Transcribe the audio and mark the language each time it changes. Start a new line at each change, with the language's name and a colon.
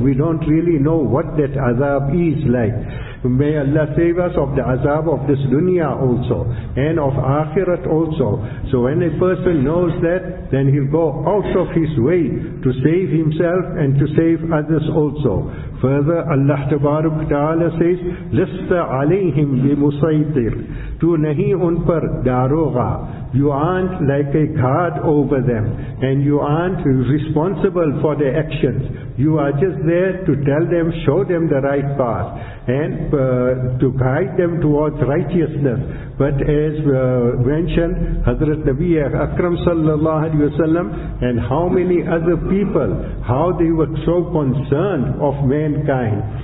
English: We don't really know what that azab is like. May Allah save us of the azab of this dunya also, and of akhirat also. So when a person knows that, then he'll go out of his way to save himself and to save others also. Further, Allah Ta'ala says,
Arabic: لَسْتَ عَلَيْهِمْ بِمُسَيْطِرٍ
Urdu: تُو نَهِي أُنْ پَرْ دَارُوغَا.
English: You aren't like a guard over them, and you aren't responsible for their actions. You are just there to tell them, show them the right path, and to guide them towards righteousness. But as mentioned, Hazrat Nabi Akram sallallahu alaihi wasallam, and how many other people, how they were so concerned of mankind.